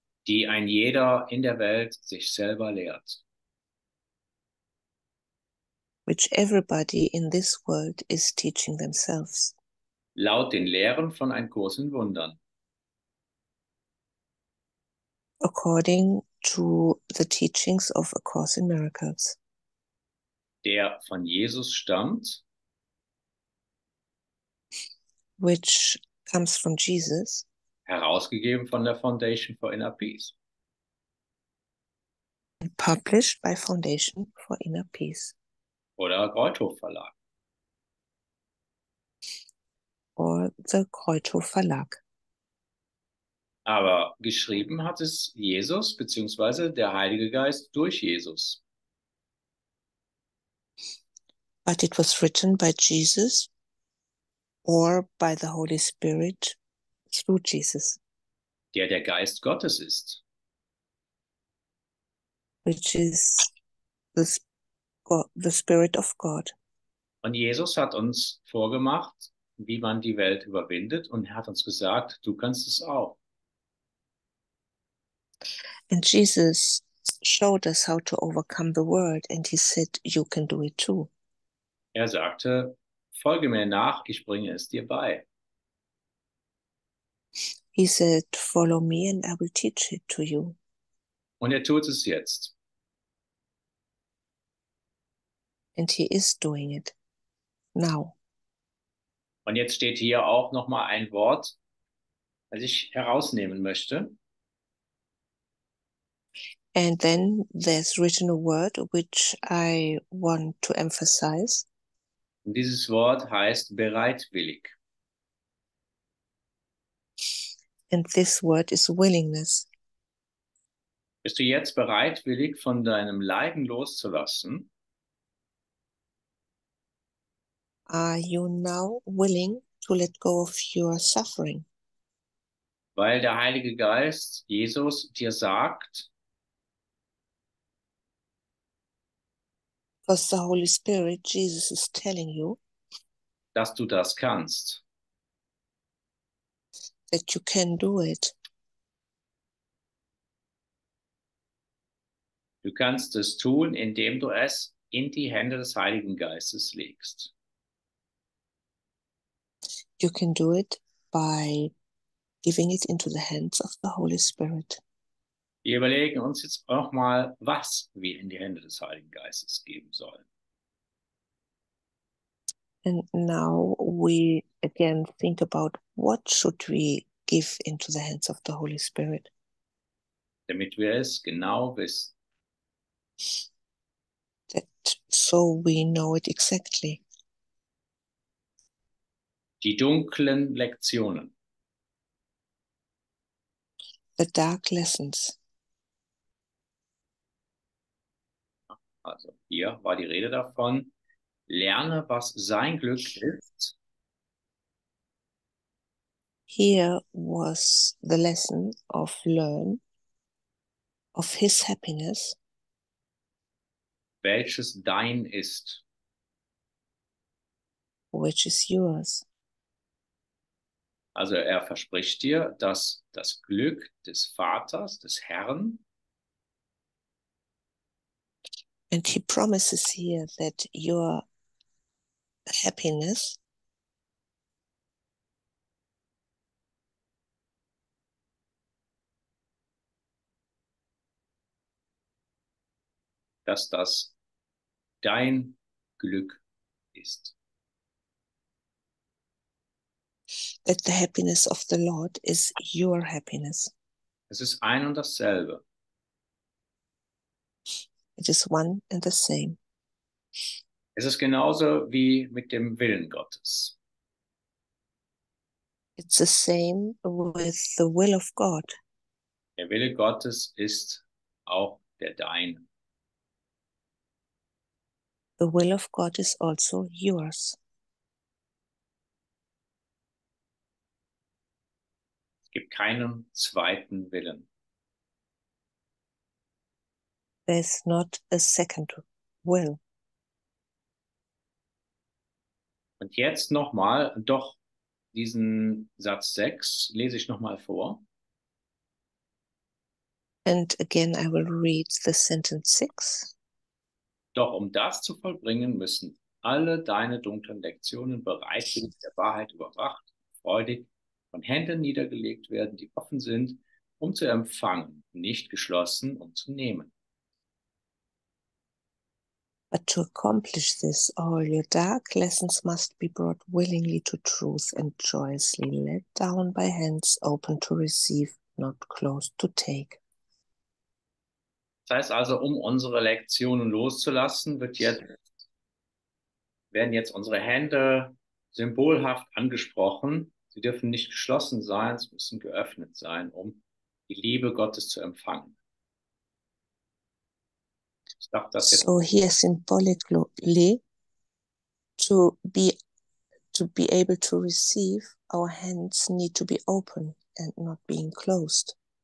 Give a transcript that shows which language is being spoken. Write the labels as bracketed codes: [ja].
[de] Die ein jeder in der Welt sich selber lehrt. [en] Which everybody in this world is teaching themselves. [de] Laut den Lehren von einem Kurs in Wundern. [en] According to the teachings of A Course in Miracles. [de] Der von Jesus stammt. [en] Which comes from Jesus. [de] Herausgegeben von der Foundation for Inner Peace. [en] And published by Foundation for Inner Peace. [de] Oder Kreuthof Verlag. [en] Or the Kreuthof Verlag. [de] Aber geschrieben hat es Jesus, beziehungsweise der Heilige Geist durch Jesus. [en] But it was written by Jesus or by the Holy Spirit through Jesus. [de] Der Geist Gottes ist. [en] Which is the Spirit of God. [de] Und Jesus hat uns vorgemacht, wie man die Welt überwindet und hat uns gesagt, du kannst es auch. [en] And Jesus showed us how to overcome the world and he said, you can do it too. [de] Er sagte, folge mir nach, ich bringe es dir bei. [en] He said, follow me and I will teach it to you. [de] Und er tut es jetzt. [en] And he is doing it now. [de] Und jetzt steht hier auch nochmal ein Wort, das ich herausnehmen möchte. [en] And then there's written a word which I want to emphasize. [de] Und dieses Wort heißt bereitwillig. [en] And this word is willingness. [de] Bist du jetzt bereitwillig, von deinem Leiden loszulassen? [en] Are you now willing to let go of your suffering? [de] Weil der Heilige Geist, Jesus, dir sagt, [en] because the Holy Spirit, Jesus, is telling you, [de] dass du das kannst. [en] That you can do it. [de] Du kannst es tun, indem du es in die Hände des Heiligen Geistes legst. [en] You can do it by giving it into the hands of the Holy Spirit. [de] Wir überlegen uns jetzt auch mal, was wir in die Hände des Heiligen Geistes geben sollen. [en] And now we again think about what should we give into the hands of the Holy Spirit. [de] Damit wir es genau wissen. [en] So we know it exactly. [de] Die dunklen Lektionen. [en] The dark lessons. [de] Also hier war die Rede davon, lerne, was sein Glück ist. [en] Here was the lesson of learn of his happiness. [de] Welches dein ist. [en] Which is yours. [de] Also er verspricht dir, dass das Glück des Vaters, des Herrn. [en] And he promises here that your happiness [de] dass das dein Glück ist. [en] That the happiness of the Lord is your happiness. [de] Es ist ein und dasselbe. [en] It is one and the same. [de] Es ist genauso wie mit dem Willen Gottes. [en] It's the same with the will of God. [de] Der Wille Gottes ist auch der deine. [en] The will of God is also yours. [de] Es gibt keinen zweiten Willen. [en] There's not a second will. [de] Und jetzt nochmal, doch diesen Satz 6 lese ich nochmal vor. [en] And again I will read the sentence 6. [de] Doch um das zu vollbringen, müssen alle deine dunklen Lektionen bereitwillig der Wahrheit überwacht, freudig, von Händen niedergelegt werden, die offen sind, um zu empfangen, nicht geschlossen, um zu nehmen. [en] But to accomplish this, all your dark lessons must be brought willingly to truth and joyously let down by hands open to receive, not closed to take. [de] Das heißt also, um unsere Lektionen loszulassen, werden jetzt unsere Hände symbolhaft angesprochen. Sie dürfen nicht geschlossen sein, sie müssen geöffnet sein, um die Liebe Gottes zu empfangen. Ich dachte, das [en] so here symbolically, to be able to receive, our hands need to be open and not being closed.